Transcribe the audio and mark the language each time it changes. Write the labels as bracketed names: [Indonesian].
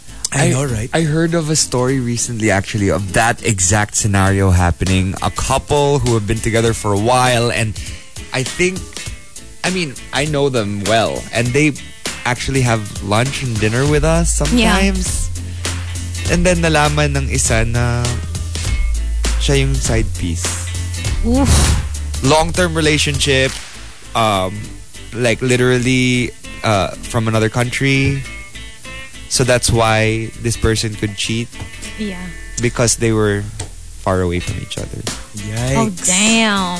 [English] I know, right? I heard of a story recently, actually, of that exact scenario happening. A couple who have been together for a while, and I think, I mean, I know them well, and they actually have lunch and dinner with us sometimes. Yeah. [Filipino] And then nalaman ng isa na siya yung side piece. [English] Oof. Long-term relationship, like literally from another country. So that's why this person could cheat. Yeah. Because they were far away from each other. Yikes. Oh, damn.